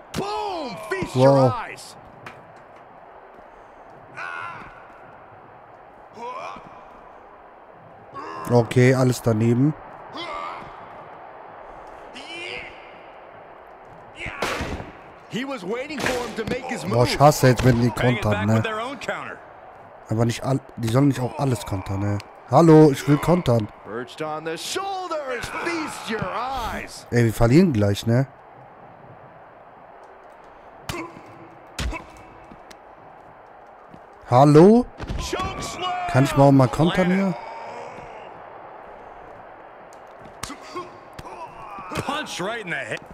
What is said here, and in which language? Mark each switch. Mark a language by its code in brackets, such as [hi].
[en] Boom! Feast your eyes. [de] Okay, alles daneben. [en] He was waiting for him to make his move. [de] Boah, scheiße, jetzt werden die kontern, ne? Aber nicht all, die sollen nicht auch alles kontern, ne? Hallo, ich will kontern. [en] Perched on the shoulders, feast your eyes. [de] Ey, wir verlieren gleich, ne? Hallo? Kann ich mal kontern hier? [en] Punch right in the head.